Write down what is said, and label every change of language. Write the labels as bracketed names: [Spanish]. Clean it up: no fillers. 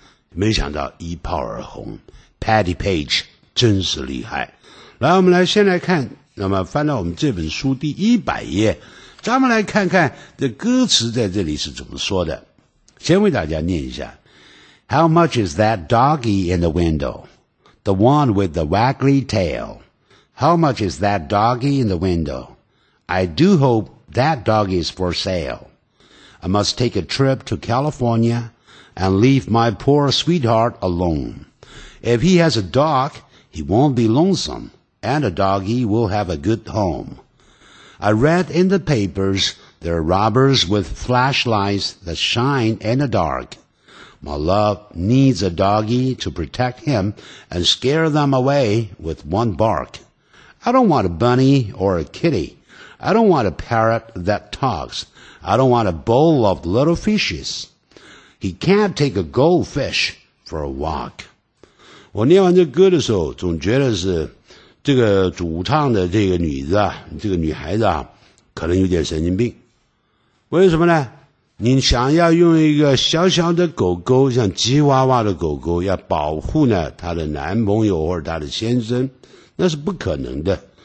[Chinese] 没想到一炮而红 Patty Page 真是厉害来我们来先来看那么翻到我们这本书第100页咱们来看看这歌词在这里是怎么说的先为大家念一下 [English] How much is that doggy in the window? The one with the waggly tail How much is that doggy in the window? I do hope that doggy is for sale I must take a trip to California and leave my poor sweetheart alone If he has a dog, he won't be lonesomeAnd a doggy will have a good home. I read in the papers there are robbers with flashlights that shine in the dark. My love needs a doggy to protect him and scare them away with one bark. I don't want a bunny or a kitty. I don't want a parrot that talks. I don't want a bowl of little fishes. He can't take a goldfish for a walk. [Chinese] 我念完这歌的时候总觉得是这个主唱的这个女子啊这个女孩子啊可能有点神经病。为什么呢你想要用一个小小的狗狗像吉娃娃的狗狗要保护呢她的男朋友或者她的先生那是不可能的。